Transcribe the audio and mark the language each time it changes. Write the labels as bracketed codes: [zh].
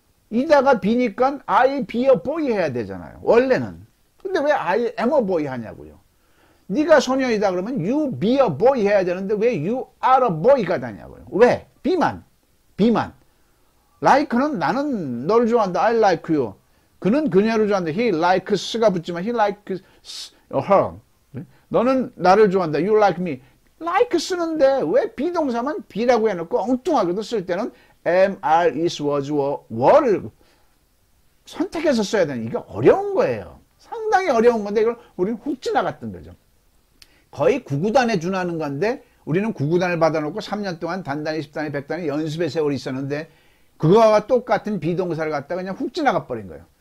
[ko] 이다가 비니까 [en] I be a boy [ko] 해야 되잖아요. 원래는. 근데 왜 [en] I am a boy [ko] 하냐고요? 네가 소년이다 그러면 [en] you be a boy [ko] 해야 되는데 왜 [en] you are a boy [ko] 가 되냐고요? 왜? 비만. 비만. like는 나는 널 좋아한다. [en] I like you. [ko] 그는 그녀를 좋아한다. [en] He likes가 [ko] 붙지만 [en] he likes her. [ko] 너는 나를 좋아한다. [en] You like me. [ko] like 쓰는데 왜 비동사만 be라고 해놓고 엉뚱하게도 쓸 때는 am, are, is, was, were를 선택해서 써야 되는 이게 어려운 거예요. 상당히 어려운 건데 이걸 우리는 훅 지나갔던 거죠. 거의 구구단에 준하는 건데 우리는 구구단을 받아놓고 3년 동안 단단히 10단위, 100단위 연습의 세월이 있었는데 그거와 똑같은 비동사를 갖다가 그냥 훅 지나가버린 거예요.